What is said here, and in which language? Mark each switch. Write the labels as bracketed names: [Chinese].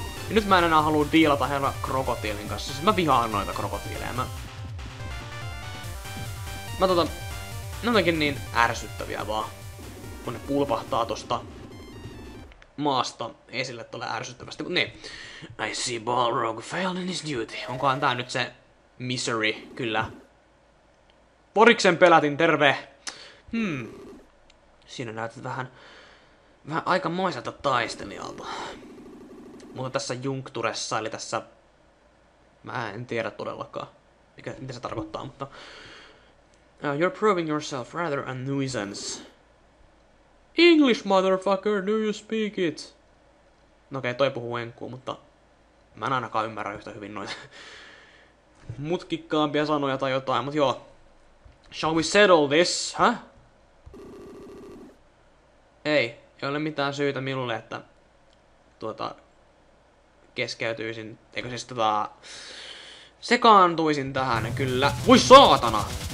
[Finnish] Ja nyt mä en enää haluu diilata herra krokotiilin kanssa. Siis mä vihaan noita krokotiileja. Mä ne onkin niin ärsyttäviä vaan. Kun ne pulpahtaa tosta maasta esille tolle ärsyttävästi. Mut niin. [English] I see Balrog failed in his duty. [Finnish] Onkohan tää nyt se misery? Kyllä. Poriksen pelätin, terve! Siinä näytät vähän aikamoiselta taistelijalta. Mutta tässä junkturessa, eli tässä... Mä en tiedä todellakaan, mitä se tarkoittaa, mutta... [English] You're proving yourself rather a nuisance. English, motherfucker, do you speak it? [Finnish] No okei, toi puhuu enkkuun, mutta... Mä en ainakaan ymmärrä yhtä hyvin noita... mutkikkaampia sanoja tai jotain, mutta joo. [English] Shall we settle this, huh? [Finnish] Ei ole mitään syytä minulle, että keskeytyisin, eikö siis sekaantuisin tähän, kyllä. Voi saatana!